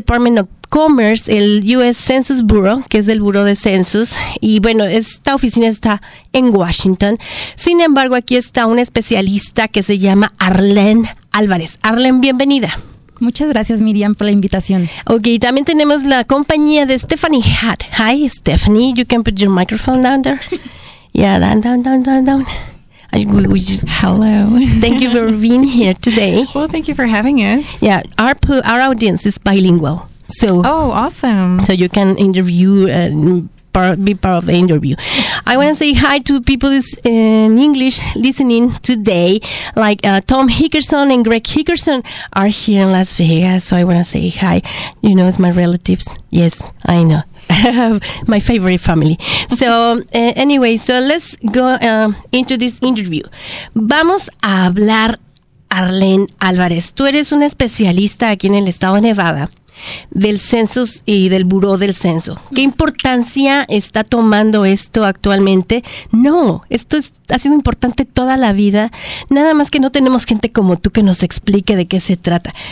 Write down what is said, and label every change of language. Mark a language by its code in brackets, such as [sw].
[es] Department of Commerce, el U.S. Census Bureau, que es el Buró de Census, y bueno, esta oficina está en Washington. Sin embargo, aquí está una especialista que se llama Arlen Álvarez. Arlen, bienvenida. Muchas gracias, Miriam, por la invitación. Ok, también tenemos la compañía de Stephanie Hatt. [en] Hi, Stephanie, you can put your microphone down there. Yeah, down, down, down, down, down. We just, hello. Thank you for being here today. Well, thank you for having us. Yeah, our audience is bilingual. So, oh, awesome. So you can interview and be part of the interview. I want to say hi to people in English listening today, like Tom Hickerson and Greg Hickerson are here in Las Vegas. So I want to say hi. You know, it's my relatives. Yes, I know. My favorite family. So anyway, so let's go into this interview. [es] Vamos a hablar, Arlen Álvarez. Tú eres una especialista aquí en el estado de Nevada. Del censo y del buró del censo. ¿Qué importancia está tomando esto actualmente? No, esto ha sido importante toda la vida, nada más que no tenemos gente como tú que nos explique de qué se trata.